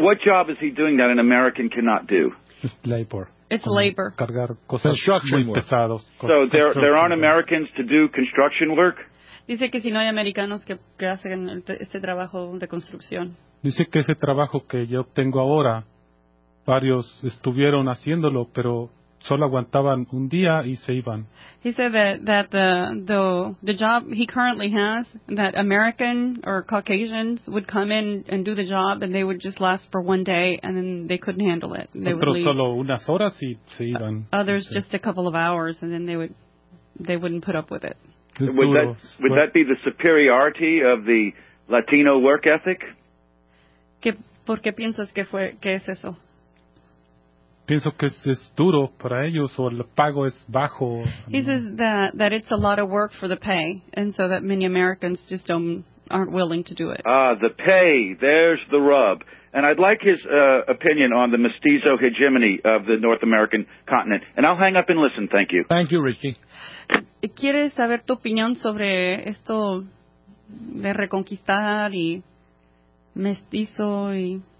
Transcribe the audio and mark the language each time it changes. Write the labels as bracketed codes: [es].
[en] what job is he doing that an American cannot do? It's labor. It's labor. [es] Cargar cosas [en] construction work. [es] Pesados. [en] So there aren't Americans to do construction work? [es] Dice que si no hay americanos que hacen este trabajo de construcción. Dice que ese trabajo que yo tengo ahora, varios estuvieron haciéndolo, pero solo aguantaban un día y se iban. [en] He said that the job he currently has, that American or Caucasians would come in and do the job and they would just last for one day and then they couldn't handle it. They [es] otros [en] would [es] solo unas horas y se iban. [en] Others just a couple of hours and then they wouldn't put up with it. Would that be the superiority of the Latino work ethic? ¿Por qué piensas que es eso? Pienso que es duro para ellos o el pago es bajo. He says that it's a lot of work for the pay, and so that many Americans just aren't willing to do it. Ah, the pay. There's the rub. And I'd like his opinion on the mestizo hegemony of the North American continent. And I'll hang up and listen. Thank you. Thank you, Richie. [es] ¿Quieres saber tu opinión sobre esto de reconquistar y mestizo y...?